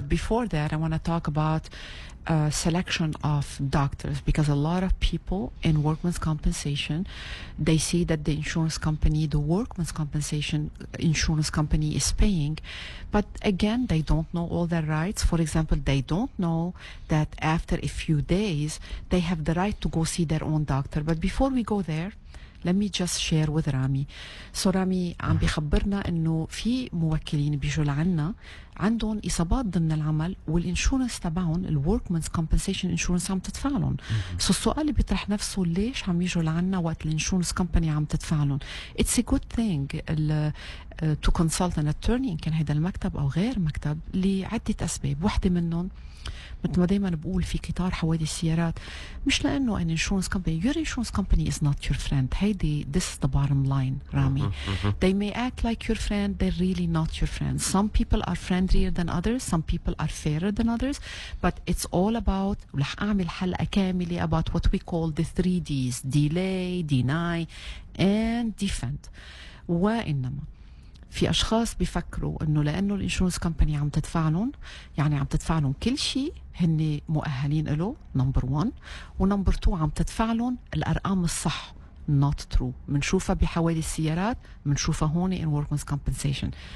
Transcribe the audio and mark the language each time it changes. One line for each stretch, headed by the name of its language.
English: But before that, I want to talk about selection of doctors, because a lot of people in workman's compensation, they see that the insurance company, the workman's compensation insurance company is paying, but again, they don't know all their rights. For example, they don't know that after a few days, they have the right to go see their own doctor. But before we go there, let me just share with Rami.
Arabic: So Rami, عم بيخبرنا إنه في موكلين بيجوا لعنا عندهم إصابات ضمن العمل والإنشورنس تبعهم الـ Workman's Compensation Insurance عم تدفع لهم. So السؤال اللي بيطرح نفسه ليش عم يجوا لعنا وقت الإنشورنس كمباني عم تدفع لهم.
English: It's a good thing to consult an attorney,
Arabic: كان هيدا المكتب أو غير مكتب, لعدة أسباب. واحدة منهم مثل ما دايما بقول في قطار حوادث السيارات, مش لأنه
English: an insurance company, your insurance company is not your friend. Hey, this is the bottom line, Rami. They may act like your friend, they're really not your friend. Some people are friendlier than others, some people are fairer than others, but it's all about,
Arabic: رح أعمل حلقة كاملة
English: about what we call the three D's, delay, deny, and defend.
Arabic: وإنما في أشخاص بيفكروا أنه لأنه الإنشورنس كمباني عم تدفع لهم, يعني عم تدفع لهم كل شيء هن مؤهلين له, نمبر 1, ونمبر 2 عم تدفع لهم الأرقام الصح.
English: Not true.
Arabic: منشوفها بحوادث السيارات, منشوفها هون
English: in workman's compensation.